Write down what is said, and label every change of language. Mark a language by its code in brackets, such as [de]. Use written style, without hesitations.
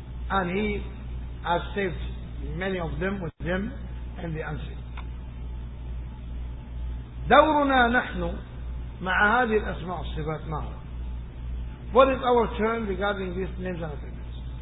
[en] And He has saved many of them with Him in the unseen. [ar] دورنا نحن مع هذه الأسماء والصفات ما هو. [en] What is our turn regarding these names and attributes?